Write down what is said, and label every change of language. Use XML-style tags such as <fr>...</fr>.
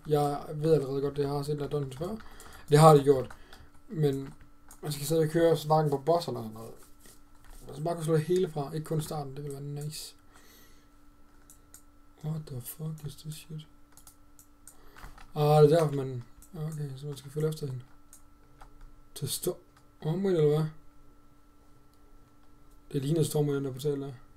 <da>Jeg ved allerede godt, det har set der dungeons før. Det har de gjort. Men man skal stadig køre snakken på boss eller sådan noget. Man skal bare kunne slå hele fra, ikke kun starten. Det vil være nice.</da> <en>What the fuck is this shit?</en> <da>Ah, det er derfor, man... Okay, så man skal følge efter hende. Til stormen, eller hvad? Det ligner stormen, den der portal der.</da>